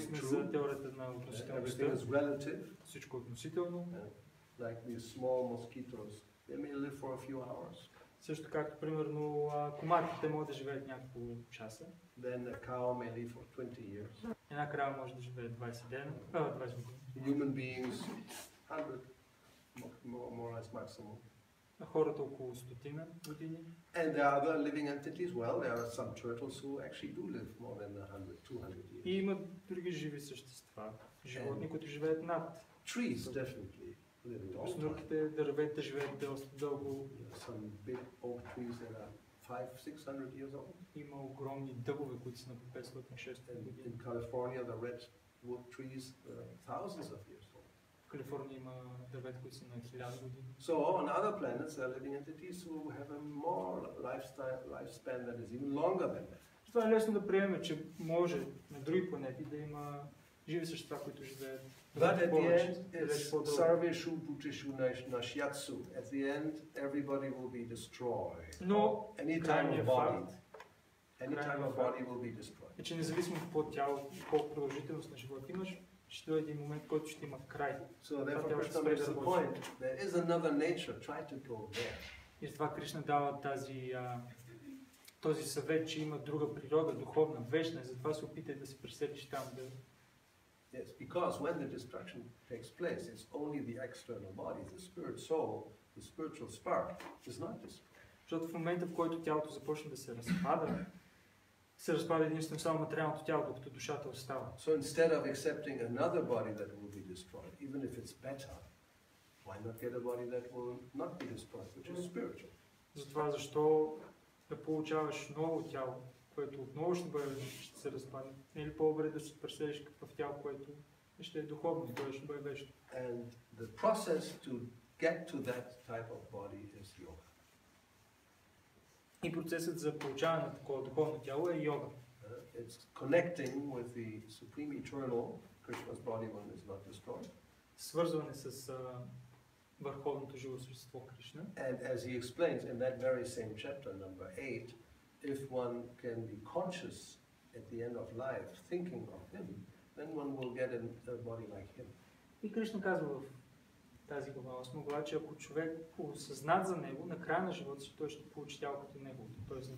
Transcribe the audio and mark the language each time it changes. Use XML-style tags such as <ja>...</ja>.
<bg>сме за теорията на относителността. Всичко е относително.</bg> <en>Like these small mosquitoes, they may live for a few hours.</en> <bg>Също както, примерно, комарите могат да живеят няколко часа.</bg> <en>Then a cow may live for 20 years.</en> <bg>Една крава може да живее 20 дена.</bg> <en>Human beings, 100, more or less maximum.</en> <bg>Хората около стотина години.</bg> <en>And there are other living entities. Well, there are some turtles who actually do live more than 100, 200 years.</en> <bg>И има други живи същества, животни, които живеят над.</bg> <en>Trees, definitely.</en> <bg>Снухте дървета живеят доста дълго.</bg> <en>Some big oak trees that are 500-600 years old.</en> <bg>Има огромни дъбове, които са на 500-600 години.</bg> <en>In California the redwood trees are thousands of years old.</en> <bg>В Калифорния има дървета, които са на 1000 години.</bg> <en>So on other planets there are living entities who have a more lifestyle lifespan that is even longer than that.</en> <bg>Това е лесно да приемем, че може на други планети да има живи същества, които живеят.</bg> <en>At the end, everybody will be destroyed.</en> <bg>Но</bg> <en>any time of body, any time of body will be destroyed.</en> <bg>Че независимо какво тяло, колко продължителност на живот имаш, ще дойде един момент, който ще има край.</bg> <en>So therefore, Krishna makes the point. There is another nature. Try to go there.</en> <bg>И затова Кришна дава тази този съвет, че има друга природа, духовна, вечна. Затова се опитай да се преселиш там. Да.</bg> <en>Yes, because when the destruction takes place, it's only the external body, the spirit soul, the spiritual spark is not destroyed.</en> <bg>Защото в момента, в който тялото започне да се разпада, се разпада единствено само материалното тяло, докато душата остава.</bg> <en>So instead of accepting another body that will be destroyed, even if it's better, why not get a body that will not be destroyed, which is spiritual?</en> <bg>Затова защо да получаваш ново тяло, което отново ще бъде, ще се разпадне. Не ли по-добре да се преселиш в тяло, което ще е духовно и ще бъде вечно.</bg> <en>And the process to get to that type of body is yoga.</en> <bg>И процесът за получаване на такова духовно тяло е йога.</bg> <en>It's connecting with the supreme eternal Krishna's body when it's not destroyed.</en> <bg>Свързване с върховното живо същество Кришна.</bg> <en>And as he explains in that very same chapter number 8, if one can be conscious at the end of life, thinking of him, then one will get a body like him.</en> <bg>И Кришна казва в тази глава 8 глава, че ако човек осъзнат за него, на края на живота си той ще получи тяло като неговото, т.е.</bg>